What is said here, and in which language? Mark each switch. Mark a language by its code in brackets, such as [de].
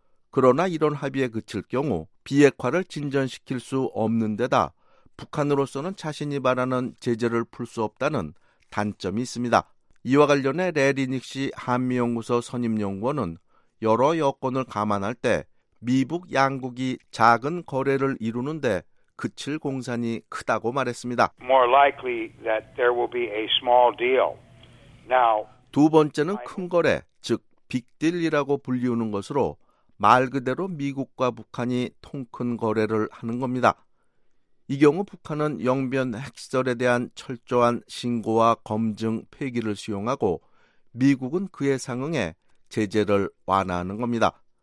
[ko] 그러나 이런 합의에 그칠 경우 비핵화를 진전시킬 수 없는 데다 북한으로서는 자신이 바라는 제재를 풀 수 없다는 단점이 있습니다. 이와 관련해 래리 닉시 한미연구소 선임연구원은 여러 여건을 감안할 때 미북 양국이 작은 거래를 이루는데 그칠 공산이 크다고 말했습니다. [en] More likely that there will be a small deal. Now, [ko] 두 번째는 큰 거래, 즉 빅딜이라고 불리우는 것으로 말 그대로 미국과 북한이 통 큰 거래를 하는 겁니다. 이 경우 북한은 영변 핵시설에 대한 철저한 신고와 검증 폐기를 수용하고 미국은 그에 상응해 제재를 완화하는 겁니다.